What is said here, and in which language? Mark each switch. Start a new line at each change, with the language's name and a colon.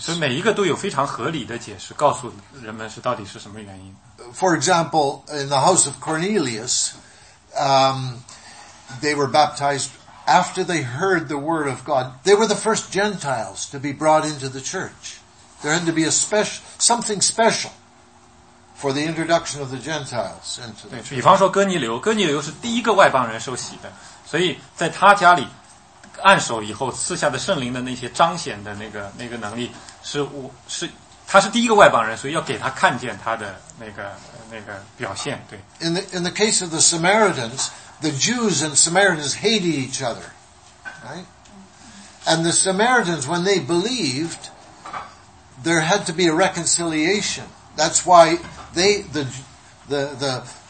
Chinese: 所以每一个都有非常合理的解释，告诉人们是到底是什么原因。
English: For example, in the house of Cornelius, they were baptized after they heard the word of God. They were the first Gentiles to be brought into the church. There had to be something special for the introduction of the Gentiles into the church.
Chinese: 对，比方说哥尼流是第一个外邦人受洗的。所以在他家里按手以后赐下的圣灵的那些彰显的那个能力，他是第一个外邦人，所以要给他看见他的那个表现。对。
English: In the case of the Samaritans, the Jews and Samaritans hated each other, right? And the Samaritans, when they believed, there had to be a reconciliation. That's why the